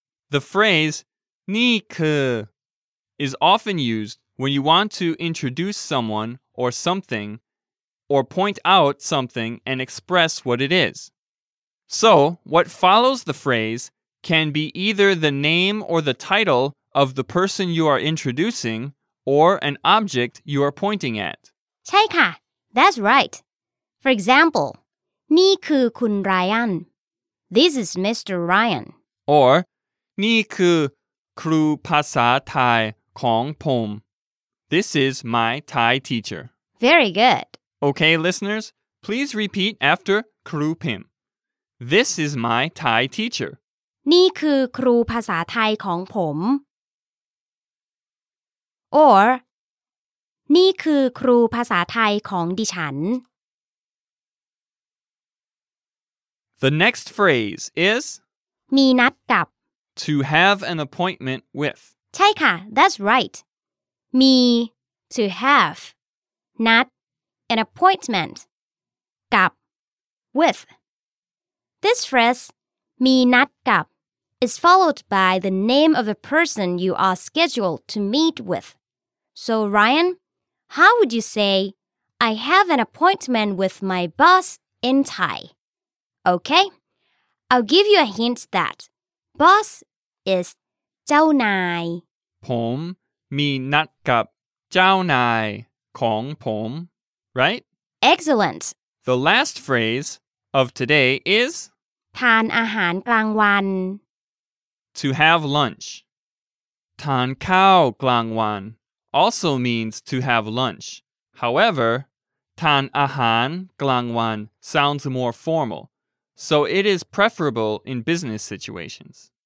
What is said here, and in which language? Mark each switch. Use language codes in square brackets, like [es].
[en] The phrase นี่คือ is often used when you want to introduce someone or something or point out something and express what it is. So, what follows the phrase can be either the name or the title of the person you are introducing or an object you are pointing at. [th] ใช่ค่ะ [en] That's right. For example, [th] นี่คือคุณ [en] Ryan. This is Mr. Ryan. [th] Or, นี่คือครูภาษาไทยของผม. This is my Thai teacher. [en] Very good. Okay, listeners, please repeat after ครูพิมพ์. This is my Thai teacher. [th] นี่คือครูภาษาไทยของผม. Or, นี่คือครูภาษาไทยของดิฉัน. [en] The next phrase is [th] มีนัดกับ [en] To have an appointment with. [th] ใช่ค่ะ [en] That's right. มี to have นัด an appointment กับ with. This phrase, มีนัดกับ, is followed by the name of a person you are scheduled to meet with. So, Ryan, how would you say, I have an appointment with my boss in Thai? Okay, I'll give you a hint that boss is เจ้านาย. [th] ผมมีนัดกับเจ้านายของผม, [en] right? Excellent. The last phrase,of today is [th] ทานอาหารกลางวัน [en] to have lunch ทานข้าวกลางวัน also means to have lunch however ทานอาหารกลางวัน sounds more formal so it is preferable in business situations